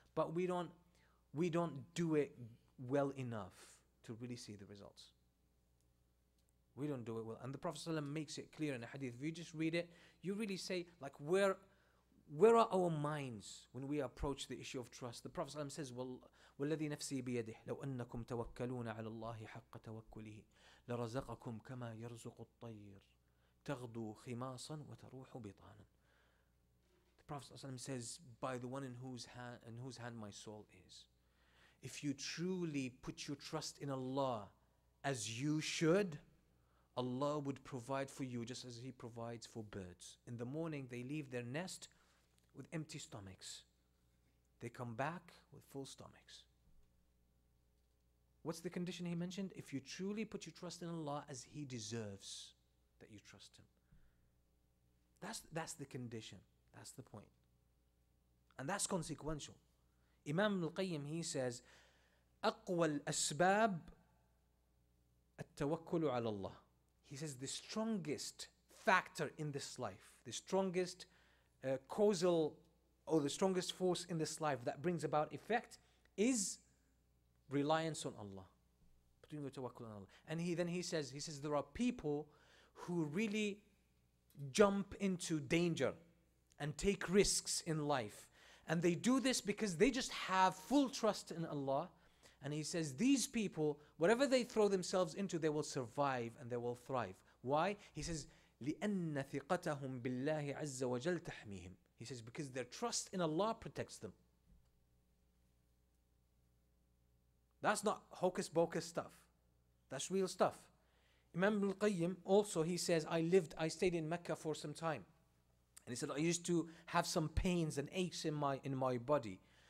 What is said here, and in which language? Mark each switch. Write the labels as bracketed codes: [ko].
[en] But we don't do it well enough to really see the results. We don't do it well. And the Prophet ﷺ makes it clear in the hadith. If you just read it, you really say, like, where are our minds when we approach the issue of trust? The Prophet ﷺ says, [ar] وَالَّذِي نَفْسِي بِيَدِهِ لَوْ أَنَّكُمْ تَوَكَّلُونَ عَلَى اللَّهِ حَقَّ تَوَكُّلِهِ لَرَزَقَكُمْ كَمَا يَرْزُقُ الطَّيِّرِ تَغْدُو خِمَاصًا وَتَرُوحُ بِطَانًا. [en] The Prophet ﷺ says, by the one in whose hand my soul is, if you truly put your trust in Allah as you should, Allah would provide for you just as He provides for birds. In the morning, they leave their nest with empty stomachs. They come back with full stomachs. What's the condition he mentioned? If you truly put your trust in Allah as He deserves that you trust Him. That's the condition. That's the point. And that's consequential. Imam Al-Qayyim, he says, [ar] أَقْوَى الْأَسْبَابِ التَّوَكُّلُ عَلَى اللَّهِ. [en] He says the strongest factor in this life, the strongest causal or the strongest force in this life that brings about effect is reliance on Allah. Putting your tawakkul on Allah. And he says there are people who really jump into danger and take risks in life. And they do this because they just have full trust in Allah. And he says, these people, whatever they throw themselves into, they will survive and they will thrive. Why? He says, [ar] لِأَنَّ ثِقَتَهُمْ بِاللَّهِ عَزَّ وَجَلْ تَحْمِيهِمْ. [en] He says, because their trust in Allah protects them. That's not hocus pocus stuff. That's real stuff. Imam Al-Qayyim also, he says, I stayed in Mecca for some time. And he said, I used to have some pains and aches in my body.